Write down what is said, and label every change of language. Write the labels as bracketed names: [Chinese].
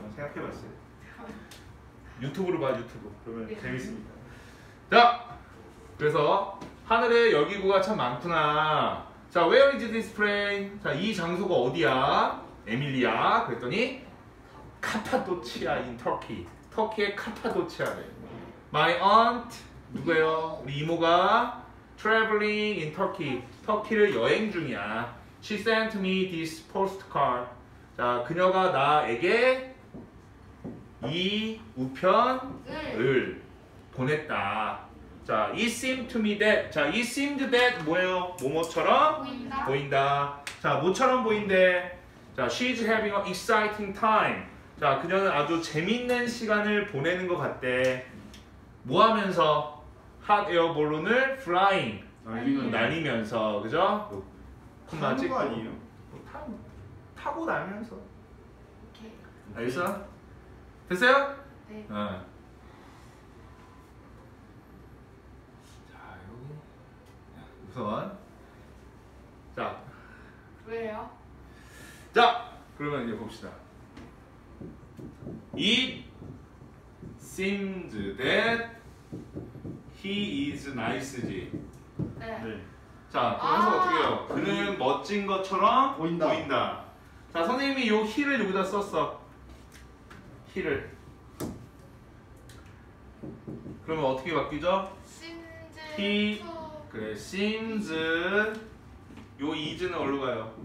[Korean] 생각해봤어요. 유튜브로 봐, 유튜브. 그러면 재밌습니다. 자, 그래서 하늘에 열기구가 참 많구나. 자, [English] where is this plane? [Korean] 자, 이 장소가 어디야? 에밀리아. 그랬더니 카파도치아 [English] in Turkey. [Korean] 터키의 카파도치아래. [English] My aunt [Korean] 누구예요? 우리 이모가 [English] traveling in Turkey. [Korean] 터키를 여행 중이야. [English] She sent me this postcard. [Korean] 자, 그녀가 나에게 이 우편을 보냈다. [English] 자, it seemed to me that. [Korean] 자, [English] it seemed that [Korean] 뭐예요? 뭐뭐처럼 보인다. 보인다. 자, 뭐처럼 보인대. [English] 자, she's having an exciting time. [Korean] 자, 그녀는 아주 재밌는 시간을 보내는 것 같대. 뭐 하면서? [English] Hot air balloon [Korean] 을 [English] flying. [Korean] 날리면서, 그죠? 타는 거 아니에요? 뭐, 타고 날면서. 알겠어? 됐어요? 네. 자, 여기. 우선. 자. 왜요? 자, 그러면 이제 봅시다. [English] It seems that he is nice [Korean] 지. 네. 네. 자, 그래서 아~ 어떻게 해요? 그는 멋진 것처럼 보인다. 보인다. 자, 선생님이 요 he를 여기다 썼어. he를. 그러면 어떻게 바뀌죠? [English] seems he to... [Korean] 그래, seems 요 is는 어디로 가요?